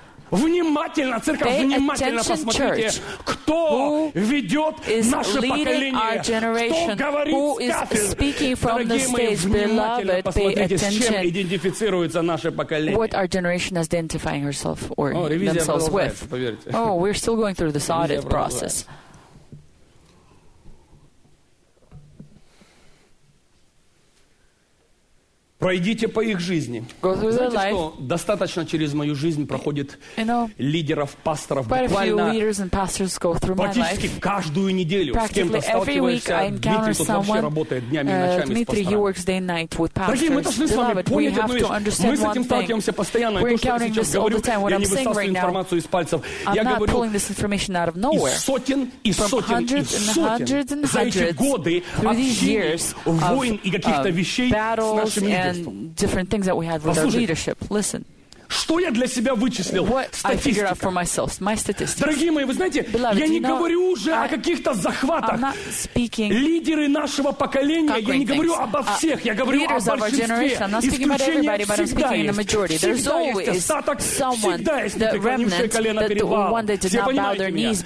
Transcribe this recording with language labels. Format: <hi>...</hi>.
<ru>Внимательно, церковь,</ru> <en>Pay</en> <ru>внимательно посмотрите,</ru> <en>church.</en> <ru>Кто ведет наше поколение, кто говорит с кафедры. Дорогие мои, внимательно</ru> <en>beloved,</en> <ru>посмотрите, с чем идентифицируется наше поколение.</ru> <en>What our generation is identifying herself or oh, themselves with.</en> <ru>Поверьте.</ru> <en>Oh, we're still going through this audit process.</en> <ru>Продолжаем. Пройдите по их жизни. Знаете, что достаточно через мою жизнь проходит лидеров, пасторов, буквально практически каждую неделю. С кем-то сталкиваешься, Дмитрий тут вообще работает днями и ночами с пасторами. Дорогие, мы должны с вами понять одну вещь. Мы с этим сталкиваемся постоянно. И то, что я сейчас говорю, я не высасываю информацию из пальцев. Я говорю из сотен, и сотен. За эти годы общения, войн и каких-то вещей с нашими</ru> <en>and different things that we had with our leadership. Listen.</en> <ru>Что я для себя вычислил? Статистика. Дорогие мои, вы знаете, я не говорю уже о каких-то захватах. Лидеры нашего поколения, я не говорю обо всех, я говорю о большинстве. Исключения всегда есть. Всегда есть остаток, всегда есть преклонившее колено перед Богом. Все понимаете меня?</ru>